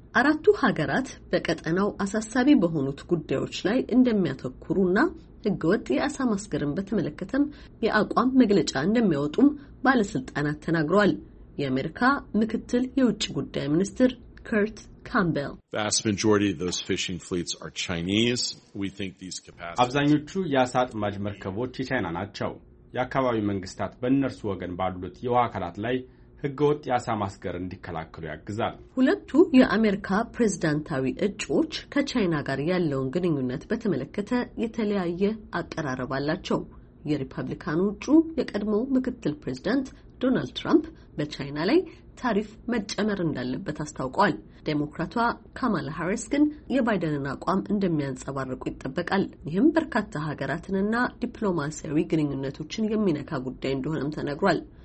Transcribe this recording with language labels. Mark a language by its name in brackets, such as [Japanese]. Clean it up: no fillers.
[Amharic] አራቱ ሀገራት በቀጠናው አሳሳቢ በሆኑት ጉዳዮች ላይ እንደሚያተኩሩና ህገወጥ የአሳ ማስገርን በተመለከተም የአቋም መግለጫ እንደሚያወጡም ባለስልጣናት ተናግረዋል። የአሜሪካ ምክትል የውጭ ጉዳይ ሚኒስትር ከርት ካምቤል [English] vast majority of those fishing fleets are Chinese. We think these capacities [Amharic] አብዛኞቹ የአሳ አጥማጅ መርከቦች የቻይና ናቸው። የአካባቢው መንግስታት በእነርሱ ወገን ባሉት የውሃ አካላት ላይ ህገወጥ የአሳ ማስገር እንዲከላከሉ ያግዛል። ሁለቱ የአሜሪካ ፕሬዝዳንታዊ እጩዎች ከቻይና ጋር ያለውን ግንኙነት በተመለከተ የተለያየ አቀራረብ አላቸው። የሪፐብሊካኑ እጩ የቀድሞው ምክትል ፕሬዝዳንት ዶናልድ ትራምፕ በቻይና ላይ ታሪፍ መጨመር እንዳለበት አስታውቋል። ዴሞክራቷ ካማላ ሃሪስ ግን የባይደንን አቋም እንደሚያንጸባርቁ ይጠበቃል። ይህም በርካታ ሀገራትንና ዲፕሎማሲያዊ ግንኙነቶችን የሚነካ ጉዳይ እንደሆነም ተነግሯል።